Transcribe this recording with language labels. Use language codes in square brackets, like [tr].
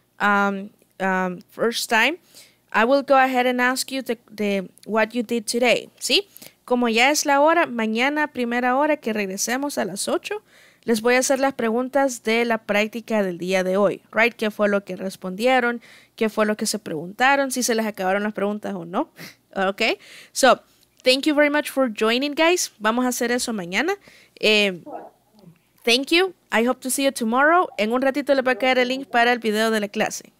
[en] First time, I will go ahead and ask you the what you did today. [es] ¿Sí? Como ya es la hora, mañana primera hora que regresemos a las 8, les voy a hacer las preguntas de la práctica del día de hoy. Right? ¿Qué fue lo que respondieron? ¿Qué fue lo que se preguntaron? ¿Si se les acabaron las preguntas o no? Okay. [en] So, thank you very much for joining, guys. [es] Vamos a hacer eso mañana. [en] Thank you. I hope to see you tomorrow. [es] En un ratito le va a caer el link para el video de la clase.